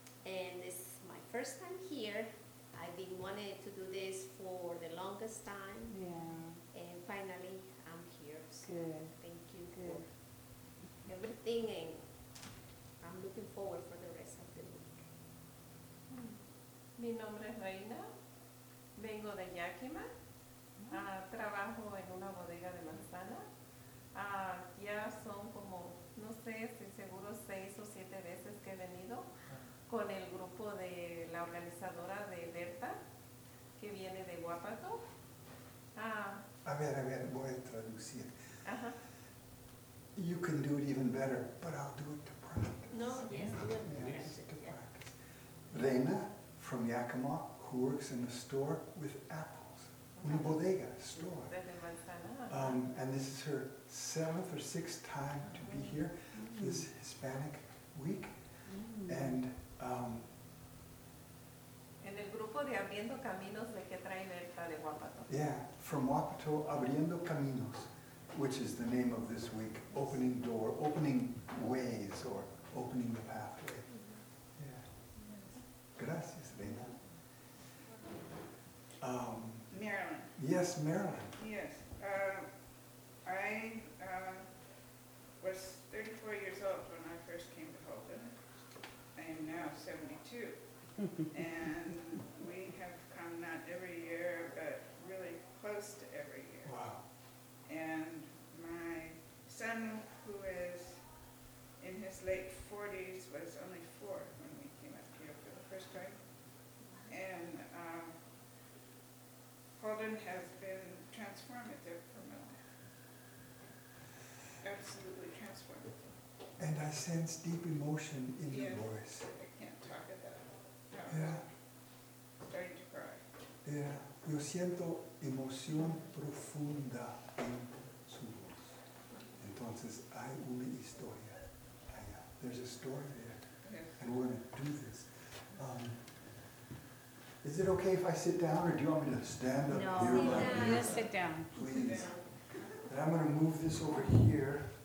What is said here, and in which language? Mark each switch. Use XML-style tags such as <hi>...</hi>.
<en>And this first time here, I've been wanting to do this for the longest time, yeah. And finally I'm here, so good. Thank you good. For everything, and I'm looking forward for the rest of the week.</en> <es>Mi nombre es Reina, vengo de Yakima, trabajo en una bodega de manzana, ya son como, no sé si seguro 6 o 7 veces que he venido, con el grupo de la organizadora de Berta, que viene de Guápato. A ver, voy a traducir. Uh-huh.</es> <en>You can do it even better, but I'll do it to practice. No, yes, practice. Reina, from Yakima, who works in a store with apples. Okay.</en> <es>Una bodega, store. Uh-huh.</es> <en>And this is her 7th or 6th time to be here this Hispanic week. Mm. And</en> <es>en el grupo de Abriendo Caminos de que trae Berta de Guapato.</es> <en>Yeah, from Guapato, Abriendo Caminos, which is the name of this week, opening door, opening ways, or opening the pathway. Mm-hmm.</en> <es>Yeah. Gracias, Reina.</es> <en>Marilyn. Yes, Marilyn. Yes. I was 34 years old when I first came to Holden. I am now 72, and we have come not every year, but really close to every year. Wow. And my son, who is in his late 40s, was only 4 when we came up here for the first time. And Holden has been transformative for me. Absolutely transformative. And I sense deep emotion in your voice. I can't talk at that. Yeah. Starting to cry. Yeah.</en> <es>Yo siento emoción profunda en su voz. Entonces, hay una historia allá.</es> <en>There's a story there. Yeah. And we're going to do this. Is it okay if I sit down, or do you want me to stand up here? No, I'm going to sit down. Please. And I'm going to move this over here.</en>